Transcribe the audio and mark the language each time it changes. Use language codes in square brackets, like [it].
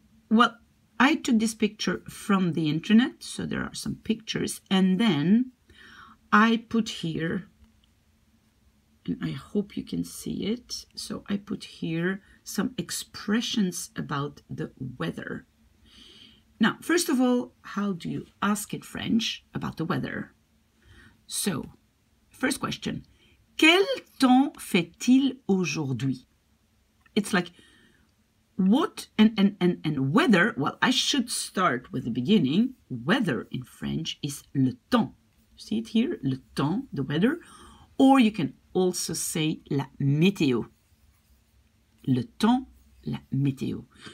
[en] Well, I took this picture from the internet, so there are some pictures, and then I put here, and I hope you can see it, so I put here some expressions about the weather. Now, first of all, how do you ask in French about the weather? So, first question, [fr] quel temps fait-il aujourd'hui? [en] It's like, what and weather, well, I should start with the beginning. Weather in French is le temps. See it here, le temps, the weather. Or you can also say la météo. Le temps, la météo.